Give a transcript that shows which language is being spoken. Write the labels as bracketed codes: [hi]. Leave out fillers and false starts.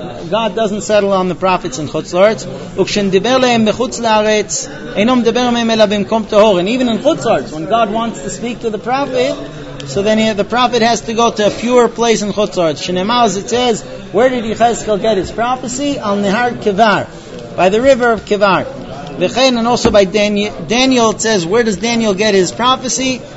[en] God doesn't settle on the prophets in Chutz La'aretz. [he] וכשנדבר להם בחוץ לארץ, אינו מדבר מהם אלא במקום טהור. [en] And even in Chutz La'aretz, when God wants to speak to the prophet, so then the prophet has to go to a pure place in Chutz La'aretz. [he] שנאמר, [en] as it says, where did Yechezkel get his prophecy? Al Nehar Kivar, by the river of Kivar. [he] וכן, [en] and also by Daniel, it says, where does Daniel get his prophecy?